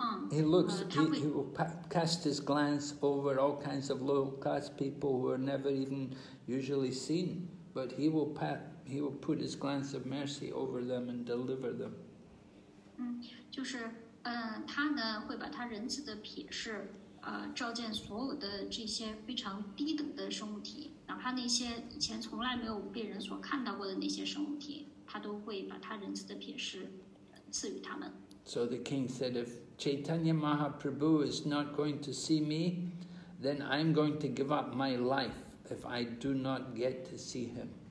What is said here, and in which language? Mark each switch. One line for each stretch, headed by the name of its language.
English: He will cast his glance over all kinds of low-class people who are never even usually seen. But he will put his glance of mercy over them and deliver them.
Chinese: 就是他呢会把他仁慈的瞥视，照见所有的这些非常低等的生物体。哪怕那些以前从来没有被人所看到过的那些生物体，他都会把他仁慈的瞥视赐予他们。
English: So the king said, if Chaitanya Mahaprabhu is not going to see me, then I'm going to give up my life if I do not get to see him.